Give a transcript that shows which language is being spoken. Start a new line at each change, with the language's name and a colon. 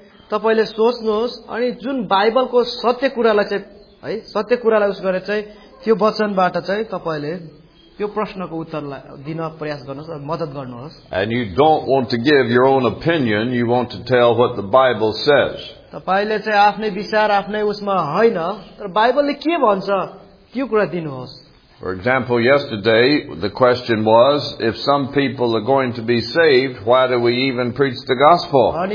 Nepali: तपाईले सोच्नुस् अनि जुन बाइबलको सत्य कुरालाई चाहिँ है सत्य कुरालाई उस गरे चाहिँ त्यो वचनबाट चाहिँ तपाईले त्यो प्रश्नको उत्तर दिन प्रयास गर्नुस् मदत गर्नुहोस्
English: And you don't want to give your own opinion, you want to tell what the Bible says.
Nepali: तपाईले चाहिँ आफ्नै विचार आफ्नै उसमा हैन तर बाइबलले के भन्छ त्यो कुरा दिनुहोस्
English: For example, yesterday, the question was, if some people are going to be saved, why do we even preach the gospel?